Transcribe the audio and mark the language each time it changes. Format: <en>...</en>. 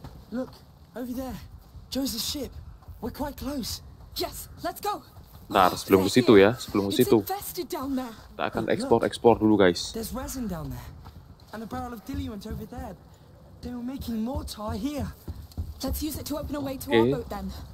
<en>Look over there, Joe's ship. We're quite close. Yes, let's go.</en> <id>Ntar sebelum ke situ ya, sebelum ke situ. Kita akan explore dulu guys.</id> <en>There's resin down there, and a barrel of diluent over there. They were making mortar here. Let's use it to open a way to our boat then.</en>